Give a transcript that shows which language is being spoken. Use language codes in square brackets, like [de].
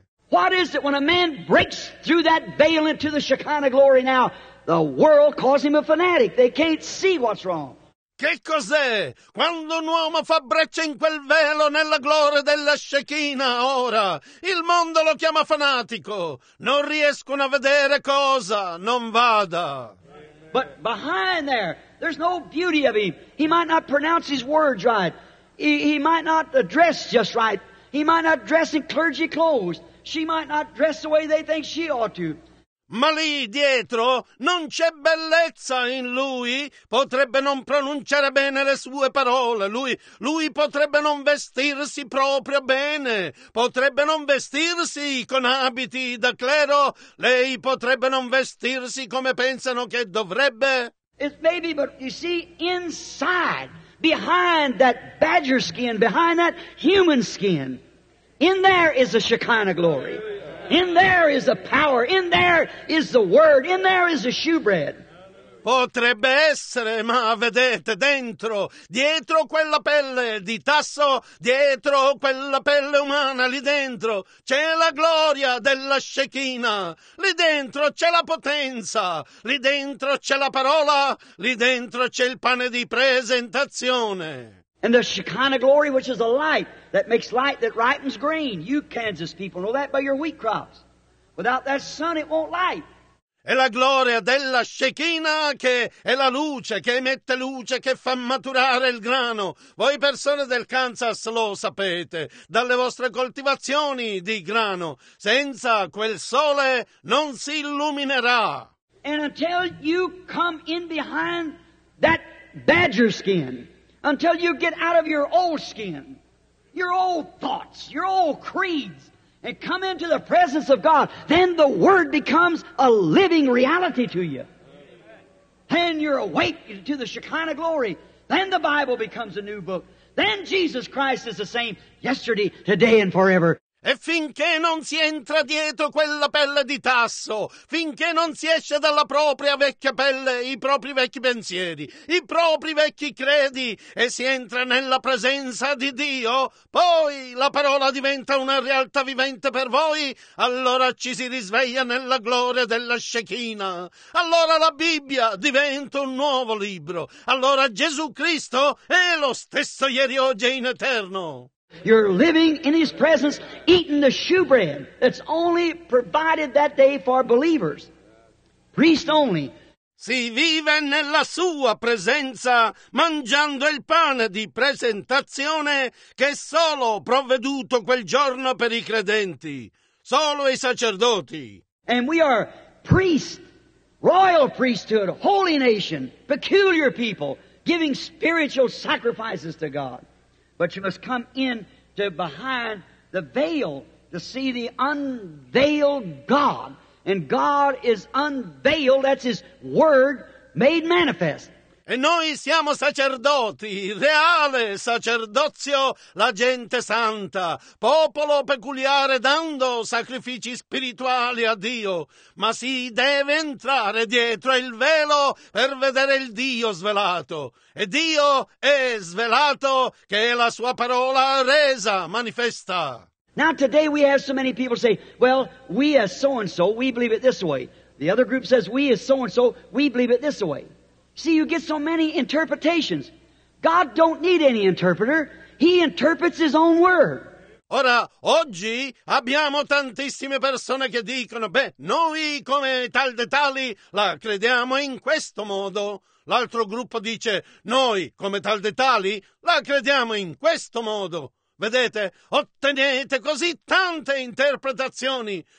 [en] What is it when a man breaks through that veil into the Shekinah glory now? The world calls him a fanatic. They can't see what's wrong. [it] Che cos'è quando un uomo fa breccia in quel velo nella gloria della Shekinah ora? Il mondo lo chiama fanatico. Non riescono a vedere cosa non vada. [en] But behind there, there's no beauty of him. He might not pronounce his words right. He might not dress just right. He might not dress in clergy clothes. She might not dress the way they think she ought to. [it] Ma lì dietro non c'è bellezza in lui. Potrebbe non pronunciare bene le sue parole. Lui potrebbe non vestirsi proprio bene. Potrebbe non vestirsi con abiti da clero. Lei potrebbe non vestirsi come pensano che dovrebbe. [en] It's maybe, but you see, inside, behind that badger skin, behind that human skin, in there is the Shekinah glory. In there is the power. In there is the word. In there is the shewbread. [it] Potrebbe essere, ma vedete, dentro, dietro quella pelle di tasso, dietro quella pelle umana, lì dentro c'è la gloria della Shekinah. Lì dentro c'è la potenza. Lì dentro c'è la parola. Lì dentro c'è il pane di presentazione. [en] And the Shekinah glory, which is a light that makes light that ripens grain. You Kansas people know that by your wheat crops. Without that sun, it won't light. [it] È la gloria della Shekinah che è la luce, che emette luce, che fa maturare il grano. Voi persone del Kansas lo sapete, dalle vostre coltivazioni di grano. Senza quel sole non si illuminerà. [en] And until you come in behind that badger skin, until you get out of your old skin, your old thoughts, your old creeds, and come into the presence of God, then the Word becomes a living reality to you. Then you're awake to the Shekinah glory. Then the Bible becomes a new book. Then Jesus Christ is the same yesterday, today, and forever. [it] E finché non si entra dietro quella pelle di tasso, finché non si esce dalla propria vecchia pelle, i propri vecchi pensieri, i propri vecchi credi, e si entra nella presenza di Dio, poi la parola diventa una realtà vivente per voi, allora ci si risveglia nella gloria della Shekina. Allora la Bibbia diventa un nuovo libro. Allora Gesù Cristo è lo stesso ieri, oggi e in eterno. [en] You're living in His presence, eating the shoe bread. It's only provided that day for believers. Priest only. [it] Si vive nella sua presenza, mangiando il pane di presentazione che è solo provveduto quel giorno per i credenti, solo i sacerdoti. [en] And we are priests, royal priesthood, holy nation, peculiar people, giving spiritual sacrifices to God. But you must come in to behind the veil to see the unveiled God. And God is unveiled, that's His Word made manifest. [it] E noi siamo sacerdoti, reale sacerdozio, la gente santa, popolo peculiare dando sacrifici spirituali a Dio. Ma si deve entrare dietro il velo per vedere il Dio svelato. E Dio è svelato che la sua parola resa manifesta. [en] Now today we have so many people say, well, we as so-and-so, we believe it this way. The other group says, we as so-and-so, we believe it this way. See, you get so many interpretations. God don't need any interpreter. He interprets His own word. [it] Ora, oggi abbiamo tantissime persone che dicono, beh, noi come tal de tali la crediamo in questo modo. L'altro gruppo dice, noi come tal de tali la crediamo in questo modo. Vedete, ottenete così tante interpretazioni.